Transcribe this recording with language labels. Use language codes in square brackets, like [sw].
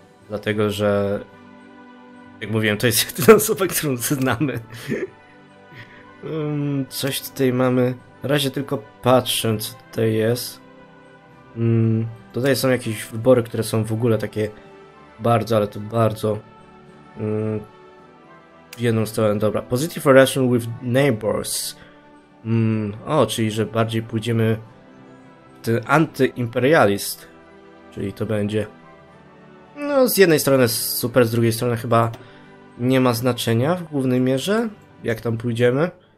[pl] Dlatego, że jak mówiłem, to jest jedyna osoba, którą znamy. coś tutaj mamy. Na razie tylko patrzę, co tutaj jest. Tutaj są jakieś wybory, które są w ogóle takie bardzo, ale to bardzo w jedną stronę. Dobra. [en] Positive relation with neighbors. [pl] Czyli że bardziej pójdziemy w ten antyimperialist. Czyli to będzie... No, z jednej strony super, z drugiej strony chyba nie ma znaczenia w głównej mierze, jak tam pójdziemy.